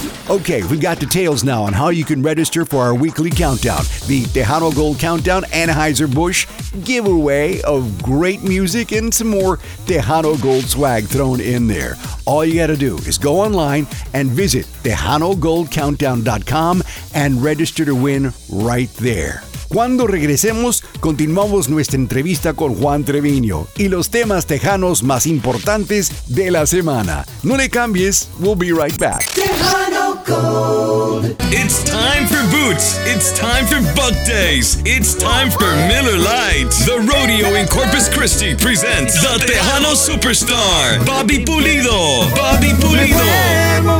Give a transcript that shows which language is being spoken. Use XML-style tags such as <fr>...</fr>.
<en>Okay, we've got details now on how you can register for our weekly countdown, the Tejano Gold Countdown Anheuser-Busch giveaway of great music and some more Tejano Gold swag thrown in there. All you gotta do is go online and visit TejanoGoldCountdown.com and register to win right there.</en> <es>Cuando regresemos, continuamos nuestra entrevista con Juan Treviño y los temas tejanos más importantes de la semana. No le cambies,</es> <en>we'll be right back. Tejano Gold. It's time for boots. It's time for buck days. It's time for Miller Lite. The rodeo in Corpus Christi presents the Tejano Superstar, Bobby Pulido. Bobby Pulido.</en>